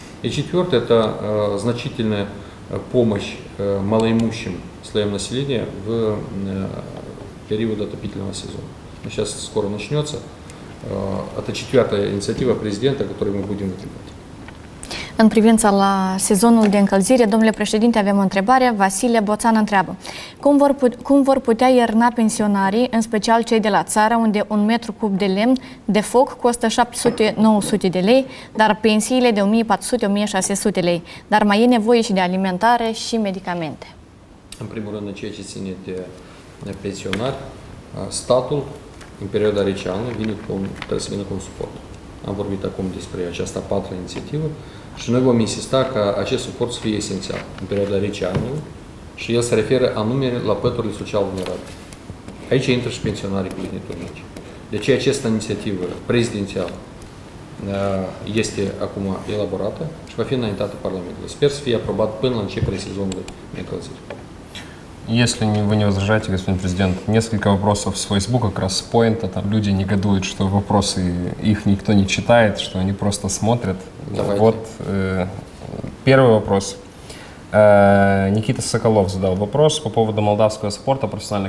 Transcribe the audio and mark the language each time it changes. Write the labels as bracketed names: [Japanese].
[Russian] И четвертое – это значительная помощь малоимущим слоям населения в период отопительного сезона. Сейчас скоро начнется. Это четвертая инициатива президента, которую мы будем выдвигать. [Romanian] În privința la sezonul de încălzire, domnule președinte, avem o întrebare. Vasile Boțan întreabă. Cum vor putea ierna pensionarii, în special cei de la țară, unde un metru cub de lemn de foc costă 700-900 de lei, dar pensiile de 1400-1600 lei, dar mai e nevoie și de alimentare și medicamente? În primul rând, în ceea ce ține de pensionari, statul în perioada rece ană trebuie să vină cu un suport. Am vorbit acum despre această a patra inițiativă și noi vom insista ca acest suport să fie esențial în perioada rece ană și el se referă anume la păturile social vulnerabile. Aici intră și pensionarii cu venituri mici. Deci această inițiativă prezidențială este acum elaborată și va fi înaintată Parlamentului. Sper să fie aprobat până la începerea sezonului de încălzire. [Russian] Если вы не возражаете, господин президент, несколько вопросов с Фейсбука, как раз с поинта, там люди негодуют, что вопросы, их никто не читает, что они просто смотрят. Давайте. Вот первый вопрос. Никита Соколов задал вопрос по поводу молдавского спорта профессионально.